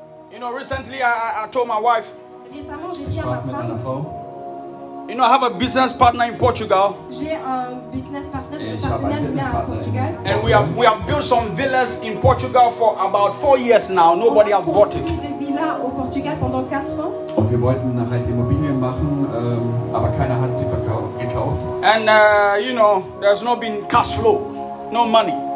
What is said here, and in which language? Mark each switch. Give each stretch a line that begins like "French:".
English: You know, recently I told my wife, you know, I have a business partner in Portugal. And we have built some villas in Portugal for about 4 years now. Nobody has bought it.
German: Und wir wollten halt Immobilien machen, aber keiner hat sie gekauft.
English: And you know, there's not been cash flow, no money.